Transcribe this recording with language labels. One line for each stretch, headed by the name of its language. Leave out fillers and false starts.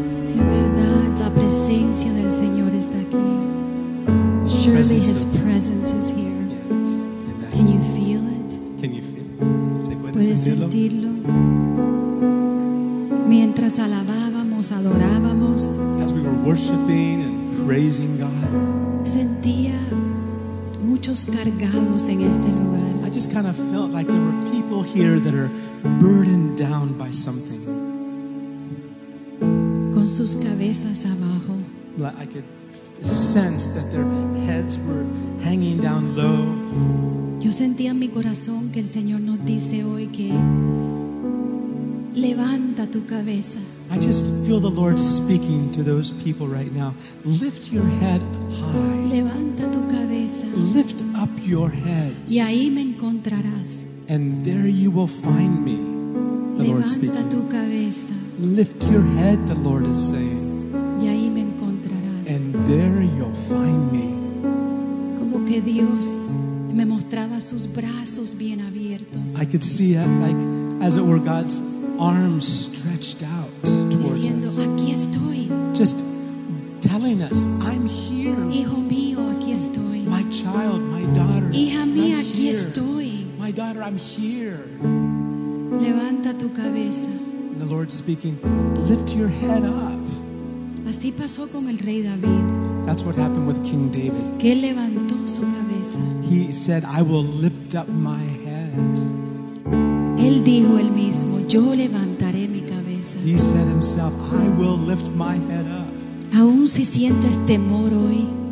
Spanish: En verdad, la presencia del Señor está aquí.
English: Surely His presence is here. Yes. Amen. Can you feel it? Can you feel it?
Spanish: ¿Se puede sentirlo? Mientras alabábamos, adorábamos,
English: as we were worshiping and praising God,
Spanish: sentía muchos cargados en este lugar.
English: I just kind of felt like there were people here that are burdened down by something.
Spanish: Con sus cabezas abajo.
English: Like I could sense that their heads were hanging down low.
Spanish: Yo sentía en mi corazón que el Señor nos dice hoy que levanta tu cabeza.
English: I just feel the Lord speaking to those people right now. Lift your head high.
Spanish: Levanta tu cabeza.
English: Lift up your heads.
Spanish: Y ahí me encontrarás.
English: And there you will find me, the
Spanish: Levanta
English: Lord speaking.
Spanish: Tu cabeza.
English: Lift your head, the Lord is saying.
Spanish: Y ahí me encontrarás.
English: And there you'll find me.
Spanish: Como que Dios me mostraba sus brazos bien abiertos.
English: I could see it like, as it were, God's arms stretched out towards
Spanish: diciendo,
English: us.
Spanish: Aquí estoy.
English: Just telling us, I'm here.
Spanish: Hijo mío, aquí estoy.
English: My child, my daughter,
Spanish: hija mía,
English: I'm
Spanish: aquí
English: here.
Spanish: Estoy.
English: My daughter, I'm here.
Spanish: Levanta tu cabeza.
English: And the Lord speaking, lift your head up.
Spanish: Así pasó con el Rey David.
English: That's what happened with King David.
Spanish: Que levantó su cabeza.
English: He said, I will lift up my head.
Spanish: Él dijo el mismo, yo levantaré mi cabeza.
English: He said himself, I will lift my head up.
Spanish: Aún si sientes temor hoy.